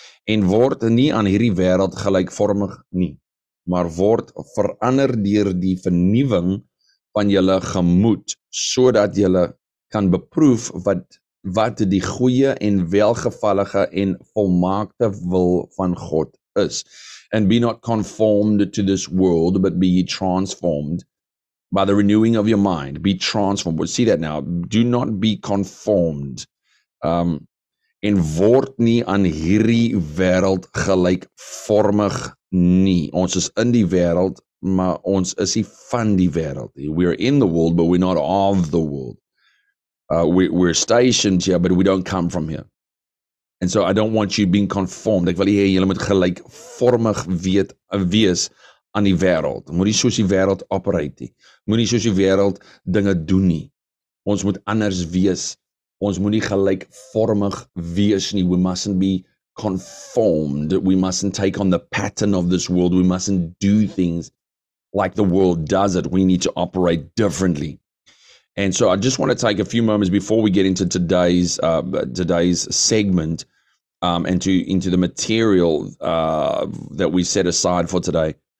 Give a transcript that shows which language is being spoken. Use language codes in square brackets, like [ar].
[af] En word nie aan hierdie wêreld gelykvormig nie, maar word verander deur die vernuwing van julle gemoed, sodat julle kan beproef wat die goeie en welgevallige en volmaakte wil van God is. [en] And be not conformed to this world, but be ye transformed by the renewing of your mind. Be transformed. We'll see that now. Do not be conformed. [af] en word nie aan hierdie wêreld gelykvormig nie. Ons is in die wêreld, maar ons is nie van die wêreld. [en] We are in the world, but we're not of the world. We're stationed here, but we don't come from here. And so I don't want you being conformed. [af] Ek wil hê julle moet gelykvormig wees aan die wêreld. Moenie soos die wêreld operate nie. Moenie soos die wêreld dinge doen nie. Ons moet anders wees. Ons moenie gelykvormig wees nie. [en] We mustn't be conformed. We mustn't take on the pattern of this world. We mustn't do things like the world does it. We need to operate differently. And so I just want to take a few moments before we get into today's segment and into the material that we set aside for today.